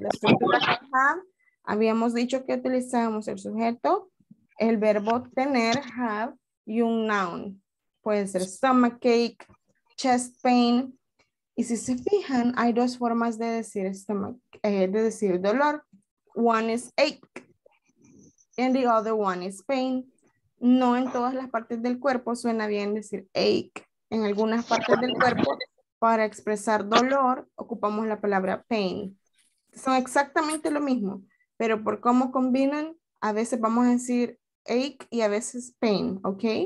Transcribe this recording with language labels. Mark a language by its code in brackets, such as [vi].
[es] La estructura con have, habíamos dicho que utilizamos el sujeto, el verbo tener, have, y un noun. Puede ser stomachache, chest pain. Y si se fijan, hay dos formas de decir dolor. [en] One is ache, and the other one is pain. [es] No en todas las partes del cuerpo suena bien decir ache. En algunas partes del cuerpo, para expresar dolor, ocupamos la palabra pain. Son exactamente lo mismo, pero por cómo combinan, a veces vamos a decir ache y a veces pain, ¿ok?